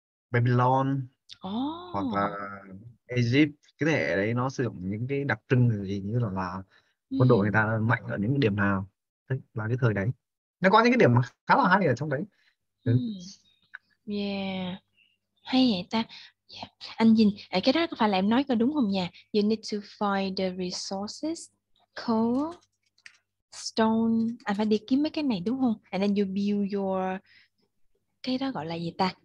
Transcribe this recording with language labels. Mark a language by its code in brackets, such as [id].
[vi] Babylon hoặc là Egypt, cái thể đấy nó sử dụng những cái đặc trưng gì, như là quân đội người ta mạnh ở những điểm nào đấy, là cái thời đấy nó có những cái điểm khá là hay ở trong đấy. Ừ. Hay vậy ta. Anh nhìn, cái đó có phải là em nói có đúng không nha? [en] You need to find the resources, coal, stone. [vi] Anh phải đi kiếm mấy cái này đúng không? [en] And then you build your, [vi] cái đó gọi là gì ta?